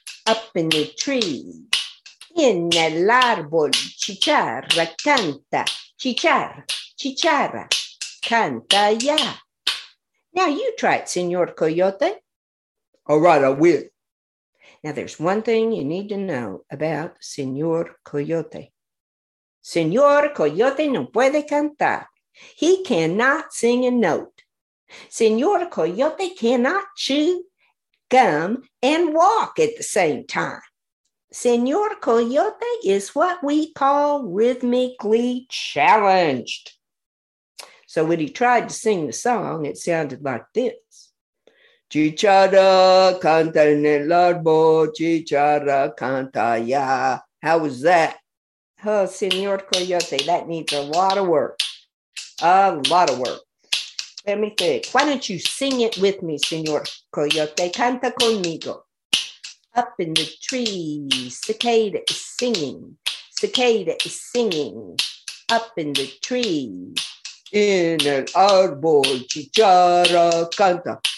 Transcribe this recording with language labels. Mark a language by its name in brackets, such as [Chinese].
[English] Up in the trees, [Spanish] in el árbol, chicharra, canta, chicharra, chicharra, canta ya. [English] Now you try it, Señor Coyote. All right, I will. Now there's one thing you need to know about Señor Coyote. [Spanish] Señor Coyote no puede cantar. [English] He cannot sing a note. Señor Coyote cannot chew gum and walk at the same time. Señor Coyote is what we call rhythmically challenged. So when he tried to sing the song, it sounded like this. [Spanish] Chicharra canta en el árbol, chicharra canta ya. [English] How was that? Oh, Señor Coyote, that needs a lot of work. A lot of work. Let me think. Why don't you sing it with me, Señor Coyote? [Spanish] Canta conmigo. [English] Up in the trees, cicada is singing. Cicada is singing. Up in the trees. [Spanish] In el árbol, chicharra canta.